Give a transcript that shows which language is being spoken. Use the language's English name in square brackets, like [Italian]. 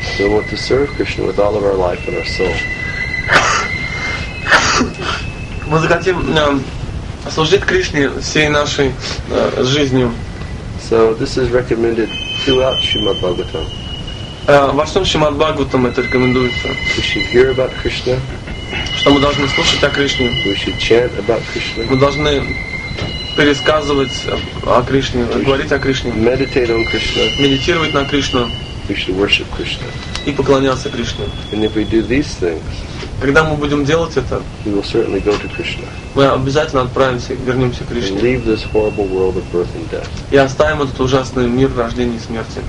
[English] We want to serve Krishna with all of our life and our soul. [Russian] Мы захотим служить Кришне всей нашей жизнью. [English] So this is recommended throughout Shrimad Bhagavatam. [Russian] Во всем Shrimad Bhagavatam это рекомендуется. [English] We should hear about Krishna. [Russian] Что мы должны слушать о Кришне. [English] We should chant about Krishna. [Russian] Мы должны пересказывать о Кришне, говорить о Кришне. [English] Meditate on Krishna. [Russian] Медитировать на Кришну. [English] We should worship Krishna. [Russian] И поклоняться Кришне. [English] And if we do these things, [Russian] когда мы будем делать это, [English] we will certainly go to Krishna. [Russian] Мы обязательно вернемся к Кришне. [English] And leave this horrible world of birth and death. [Russian] И оставим этот ужасный мир рождения и смерти.